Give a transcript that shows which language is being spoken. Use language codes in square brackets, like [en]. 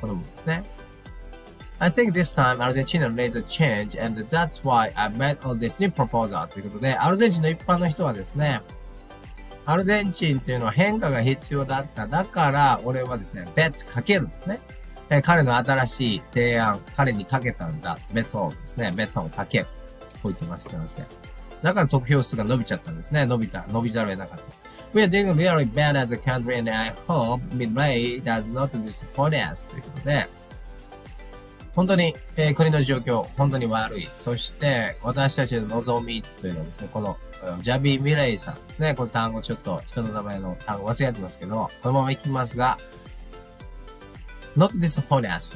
[ja] この部分ですね。 [en] I think this time Argentina needs a change and that's why I met all this new proposal [ja] ということで、アルゼンチンの一般の人はですね、アルゼンチンというのは変化が必要だった。だから俺はですね、bet かけるんですね。彼の新しい提案、彼にかけたんだ。メトンですね。メトンかける。こう言ってます。だから得票数が伸びちゃったんですね。伸びた。伸びざるを得なかった。 [en] We are doing really bad as a country and I hope Milei does not disappoint us. [ja] ということで、本当に、国の状況、本当に悪い。そして、私たちの望みというのはですね、この、ジャビー・ミレイさんですね。この単語ちょっと、人の名前の単語間違えてますけど、このままいきますが、 [en] not disappoint us.